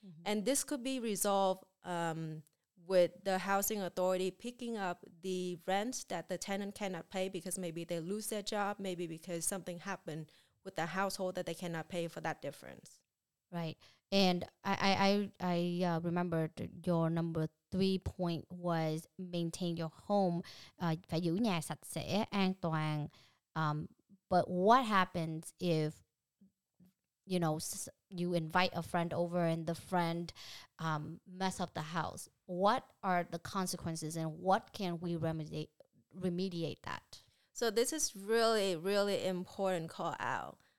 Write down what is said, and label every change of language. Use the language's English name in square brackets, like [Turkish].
[English] And this could be resolved with the housing authority picking up the rent that the tenant cannot pay because maybe they lose their job, maybe because something happened with the household that they cannot pay for that difference. Right. And I remembered your number three point was maintain your home. [Vietnamese] Phải giữ nhà sạch sẽ, an toàn. [English] But what happens if, you know, you invite a friend over and the friend mess up the house? What are the consequences and what can we remediate that? So this is really, really important call out.